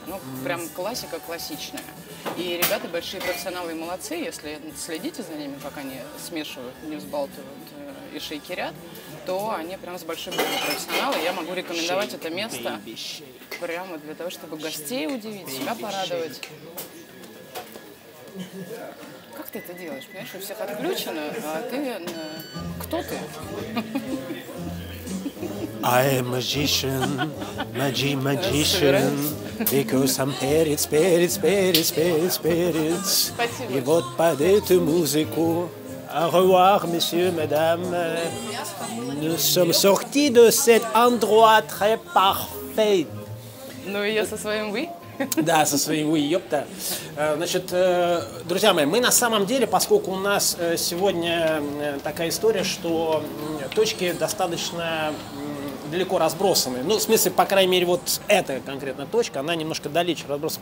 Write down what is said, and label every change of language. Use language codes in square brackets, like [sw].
[ru] Ну, прям классика классичная. И ребята большие профессионалы и молодцы, если следите за ними, пока они смешивают, не взбалтывают и шейкерят, то они прям с большим профессионалом. Я могу рекомендовать это место прямо для того, чтобы гостей удивить, себя порадовать. Как ты это делаешь? Понимаешь, у всех отключено, а ты... Кто ты? [en] I am magician, magician, because I'm spirit, spirit, spirit, spirit, spirit. [ru] И вот под эту музыку, [fr] au revoir, messieurs, mesdames, nous sommes sortis de cet endroit très parfait. [ru] Ну, я со своим «вы». Да, со своим «вы», ёпта. Значит, друзья мои, мы на самом деле, поскольку у нас сегодня такая история, что точки достаточно далеко разбросаны. Ну, в смысле, по крайней мере, вот эта конкретная точка, она немножко далече разбросана.